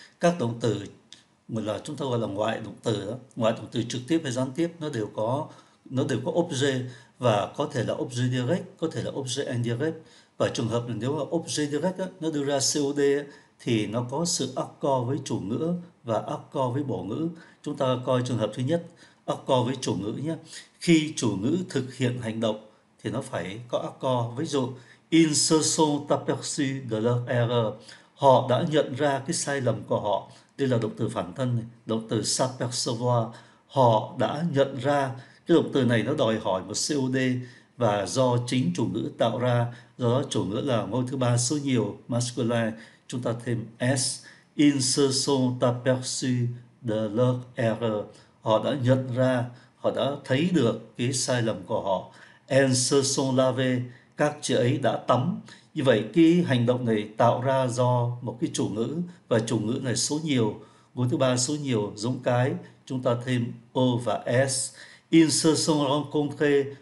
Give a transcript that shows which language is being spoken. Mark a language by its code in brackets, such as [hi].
[vi] Các động từ gọi là chúng ta gọi là ngoại động từ đó. Ngoại động từ trực tiếp hay gián tiếp nó đều có objet, và có thể là objet direct, có thể là objet indirect. Và trường hợp là nếu là objet direct đó, nó đưa ra COD thì nó có sự accord với chủ ngữ và accord với bổ ngữ. Chúng ta coi trường hợp thứ nhất, accord với chủ ngữ nhé. Khi chủ ngữ thực hiện hành động thì nó phải có accord. Ví dụ [fr] Ils se sont aperçus de leur erreur. [vi] Họ đã nhận ra cái sai lầm của họ. Đây là động từ phản thân này. Động từ s'apercevoir. Họ đã nhận ra. Cái động từ này nó đòi hỏi một COD, và do chính chủ ngữ tạo ra. Do đó chủ ngữ là ngôi thứ ba số nhiều, masculine. Chúng ta thêm S. [fr] Ils se sont aperçus de leur erreur. [vi] Họ đã nhận ra. Họ đã thấy được cái sai lầm của họ. [fr] Ils se sont lavés. [vi] Các chị ấy đã tắm. Như vậy cái hành động này tạo ra do một cái chủ ngữ, và chủ ngữ này số nhiều, ngôi thứ ba số nhiều giống cái. Chúng ta thêm O và S. [fr] Ils se sont rencontrés.